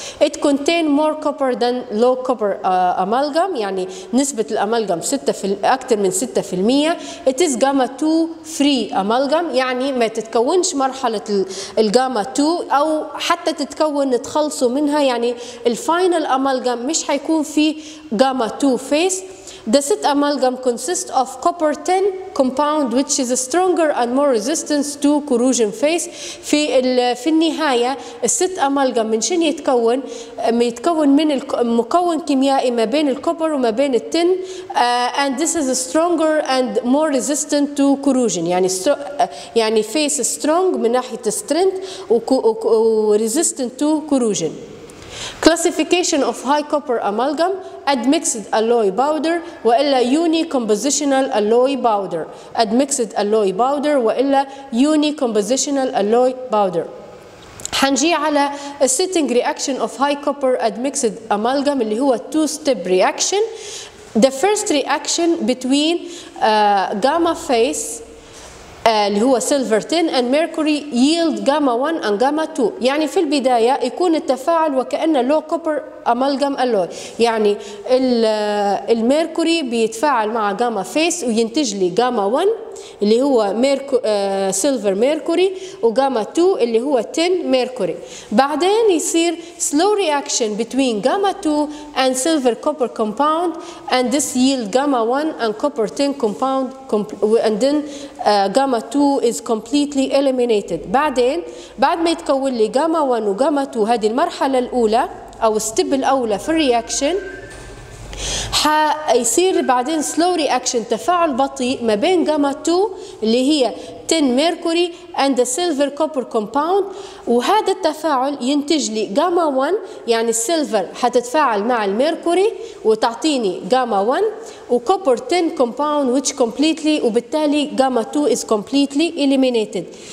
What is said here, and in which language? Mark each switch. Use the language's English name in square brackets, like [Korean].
[English] It contain more copper than low copper [Arabic] أمالجام، يعني نسبة الأمالجام أكثر من 6%. [English] It is gamma 2 free [Arabic] أمالجام، يعني ما تتكونش مرحلة الجاما 2 أو حتى تتكون تخلصوا منها، يعني الفاينل أمالجام مش حيكون فيه جاما 2 فيس. [English] The set amalgam consists of copper 10 compound which is stronger and more resistant to corrosion phase. [Arabic] في النهاية الست amalgam من شن يتكون؟ يتكون من مكون كيميائي ما بين الكوبر وما بين التن. [English] And this is stronger and more resistant to corrosion. [Arabic] يعني phase strong من ناحية strength و [English] resistant to corrosion. Classification of high copper amalgam, admixed alloy powder وإلا unicompositional alloy powder. Admixed alloy powder وإلا unicompositional alloy powder. [Arabic] حنجي على [English] setting reaction of high copper admixed amalgam [Arabic] اللي هو [English] two-step reaction. The first reaction between gamma phase اللي هو silver tin and mercury yield gamma 1 and gamma 2. [Arabic] يعني في البداية يكون التفاعل وكأنه low copper amalgam alloy. يعني الميركوري بيتفاعل مع gamma phase وينتج لي gamma 1 اللي هو silver mercury وgamma 2 اللي هو tin mercury. بعدين يصير [English] slow reaction between gamma 2 and silver copper compound and this yield gamma 1 and copper tin compound and then gamma 2 is completely eliminated. [Arabic] بعدين بعد ما يتكون لي gamma 1 وgamma 2 هذه المرحلة الأولى أو step الأولى في reaction حيصير بعدين [English] slow reaction [Arabic] تفاعل بطيء ما بين gamma 2 اللي هي tin mercury [English] and the silver copper compound [Arabic] وهذا التفاعل ينتج لي gamma 1 يعني silver حتتفاعل مع الميركوري وتعطيني gamma 1 و copper tin compound which completely وبالتالي [English] gamma 2 is completely eliminated.